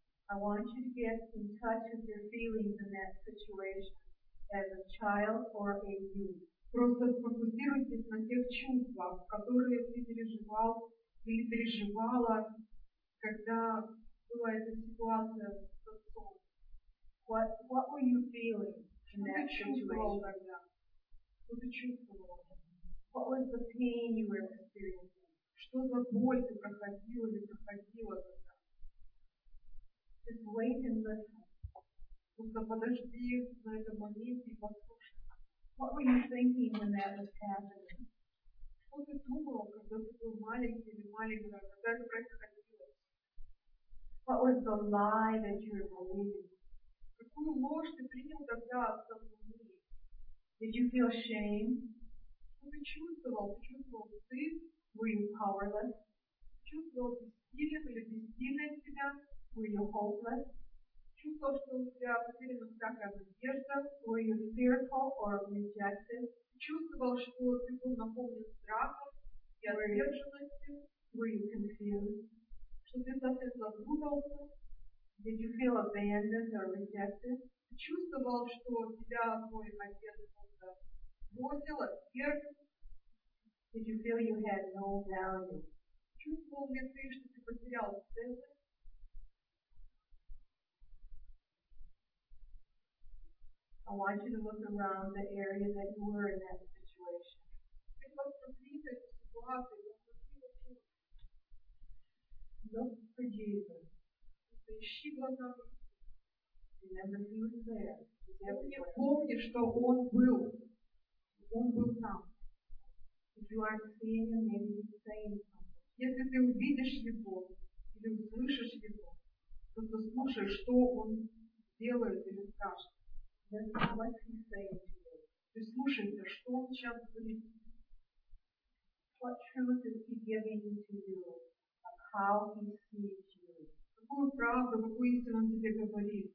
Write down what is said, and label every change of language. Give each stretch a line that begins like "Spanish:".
English: I want you to get in touch with your feelings in that situation as a child or a youth.
Russian: Просто сфокусируйтесь на тех чувствах, которые ты переживал или переживала, когда была эта ситуация с отцом.
English: What were you feeling in that situation?
Russian: Что ты чувствовала тогда?
English: What was the pain you were experiencing?
Russian: Что за боль ты проходила или проходила тогда?
English: Just wait and listen.
Russian: Просто подожди на этом моменте и послушай.
English: What were you thinking when that was happening?
Russian: Что ты думала, когда ты был маленький или маленькая, когда это происходило?
English: What was the lie that you were believing?
Russian: Какую ложь ты принял тогда от сомнений?
English: Did you feel shame?
Russian: Что ты чувствовал? Ты чувствовал стыд?
English: Were you powerless?
Russian: Чувствовал бессилием или бессильной себя?
English: Were you hopeless?
Russian: Чувствовал, что у тебя потеряна всякая надежда?
English: Were you fearful or rejected?
Russian: Чувствовал, что ты был наполнен страхом и отверженностью?
English: Were you confused?
Russian: Что ты совсем запутался?
English: Did you feel abandoned or rejected?
Russian: Ты чувствовал, что тебя твой отец просто бросил, отверг?
English: Did you feel you had no value?
Russian: Чувствовал ли ты, что ты потерял ценность?
English: I want you to look around the area that you were in that situation. Look for Jesus. Remember He was there. He's everywhere.
Russian: Он был там.
English: If you aren't seeing Him, maybe He's saying something.
Russian: Если ты увидишь Его или услышишь Его, то послушай, что Он делает или скажет.
English: Listen, what he's saying to you.
Russian: Ты слушайте, что он сейчас говорит.
English: What truth is he giving to you of how he sees you?
Russian: Какую правду, какую истину он тебе говорит?